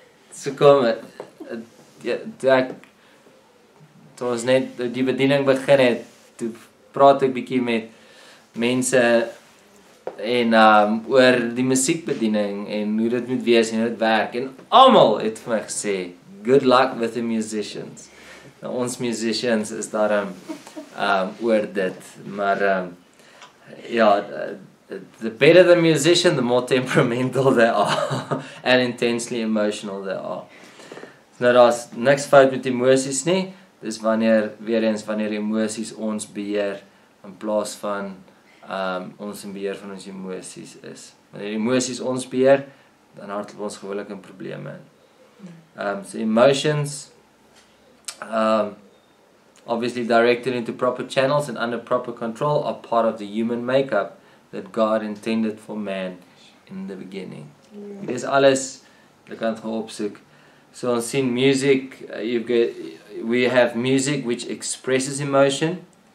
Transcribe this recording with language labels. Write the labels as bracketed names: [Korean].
[Afrikaans] So kom ek toe ons net die bediening begin het, toe praat ek bietjie met mense en oor die musiekbediening en hoe dit moet wees en hoe dit werk, en almal het vir my gesê [English] good luck with the musicians. [Afrikaans] Nou, ons musicians is daarom oor dit, maar ja, [English] the better the musician, the more temperamental they are and intensely emotional they are. [Afrikaans] Nou, daar is niks fout met emosies nie, dis wanneer, weer eens, wanneer emosies ons beheer in plaas van ons in beheer van ons emosies is. Wanneer emosies ons beheer, dan hardloop ons gewoonlik in probleme in. [English] So emotions, obviously directed into proper channels and under proper control, are part of the human makeup that God intended for man in the beginning. [Afrikaans] Dit is alles, ek kan het gaan opsoek. So ons sien music, [English] we have music which expresses emotion.